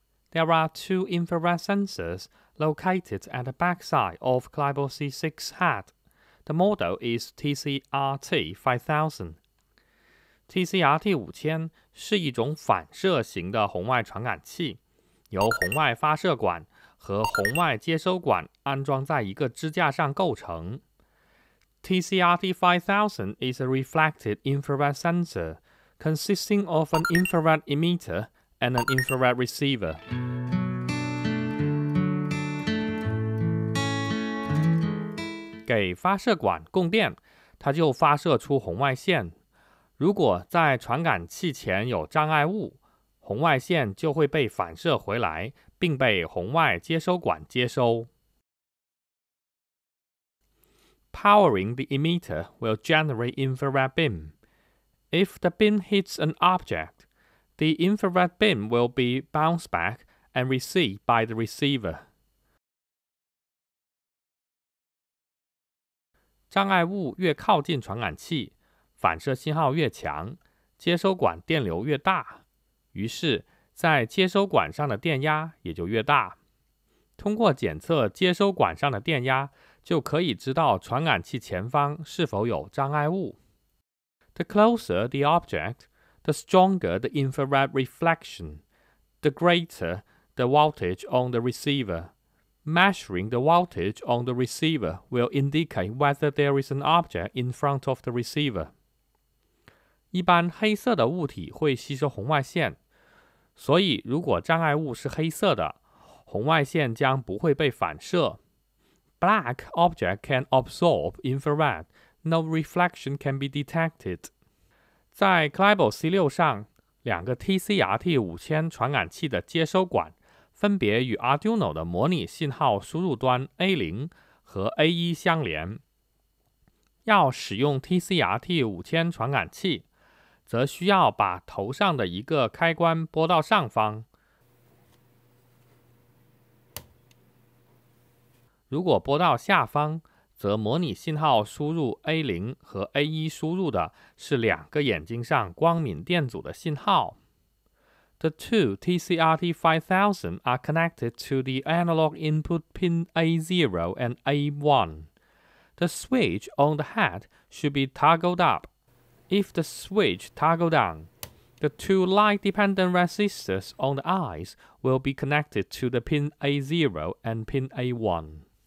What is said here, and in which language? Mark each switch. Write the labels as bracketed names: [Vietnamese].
[English] There are two infrared sensors located at the backside of Klebold C6 head. The model is TCRT5000. [Chinese] TCRT5000 是一种反射型的红外传感器，由红外发射管和红外接收管安装在一个支架上构成。 [English] TCRT5000 is a reflected infrared sensor consisting of an infrared emitter and an infrared receiver. [Chinese] 给发射管供电，它就发射出红外线。如果在传感器前有障碍物，红外线就会被反射回来，并被红外接收管接收。 [English] Powering the emitter will generate infrared beam. If the beam hits an object, the infrared beam will be bounced back and received by the receiver. [Chinese] 障碍物越靠近传感器，反射信号越强，接收管电流越大，于是在接收管上的电压也就越大。通过检测接收管上的电压，就可以知道传感器前方是否有障碍物。 [English] The closer the object, the stronger the infrared reflection, the greater the voltage on the receiver. Measuring the voltage on the receiver will indicate whether there is an object in front of the receiver. [Chinese] 一般黑色的物体会吸收红外线，所以如果障碍物是黑色的，红外线将不会被反射。 [English] Black object can absorb infrared. No reflection can be detected. [Chinese] 在 Klebold C6 上，两个 TCRT5000 传感器的接收管分别与 Arduino 的模拟信号输入端 A0 和 A1 相连。要使用 TCRT5000 传感器，则需要把头上的一个开关拨到上方。如果拨到下方，则模拟信号输入 A0 和 A1 输入的是两个眼睛上光敏电阻的信号。 [English] The two TCRT5000 are connected to the analog input pin A0 and A1. The switch on the head should be toggled up. If the switch toggled down, the two light-dependent resistors on the eyes will be connected to the pin A0 and pin A1.